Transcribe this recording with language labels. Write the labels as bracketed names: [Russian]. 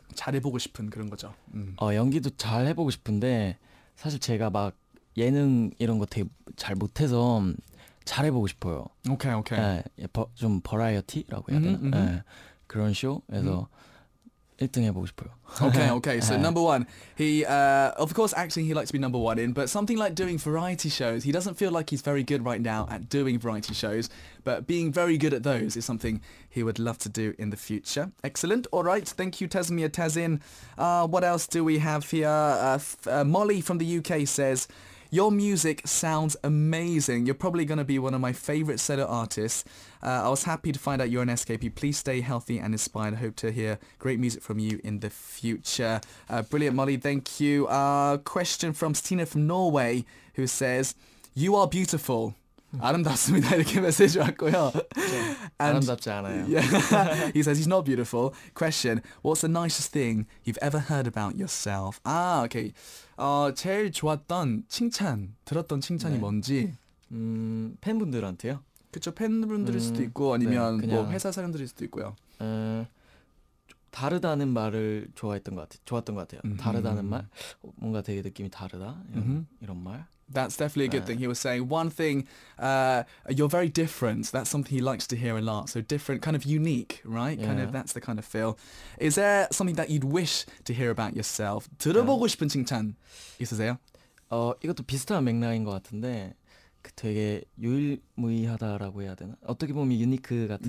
[Korean] 잘해보고 싶은 그런 거죠. 연기도 잘해보고 싶은데 사실 제가 막 예능 이런 거 되게 잘 못해서 잘해보고 싶어요. [English] 오케이, 오케이. [Korean] 예, 좀 버라이어티라고 해야 되나? 예, 그런 쇼에서 1등 해보고 싶어요. [English] Okay, okay. So number one, he of course acting he likes to be number one in, but something like doing variety shows, he doesn't feel like he's very good right now at doing variety shows, but being very good at those is something he would love to do in the future. Excellent. All right. Thank you, Tazmia Tazin. What else do we have here? Molly from the UK says, your music sounds amazing. You're probably going to be one of my favorite solo artists. I was happy to find out you're an SKP. Please stay healthy and inspired. I hope to hear great music from you in the future. Brilliant, Molly. Thank you. Question from Stina from Norway, who says, you are beautiful. [Korean] 아름답습니다. 이렇게 메시지 왔고요. 아름답지 않아요. [English] Yeah, he says he's not beautiful. Question, what's the nicest thing you've ever heard about yourself? 아, okay. [Korean] 제일 좋았던 칭찬, 들었던 칭찬이 뭔지? 팬분들한테요? 그쵸, 팬분들일 수도 있고 아니면 네, 뭐 회사 사람들일 수도 있고요. 다르다는 말을 좋았던 것 같아요. 다르다는 말? 뭔가 되게 느낌이 다르다? 이런 말? [English] That's definitely a good thing. He was saying one thing, you're very different. That's something he likes to hear a lot. So different, kind of unique, right? Yeah. Kind of, that's the kind of feel. Is there something that you'd wish to hear about yourself? [Korean] 들어보고 싶은 칭찬 있으세요? 이것도 비슷한 맥락인 것 같은데, 되게 유일무이하다라고 해야 되나? 어떻게 보면 유니크 같은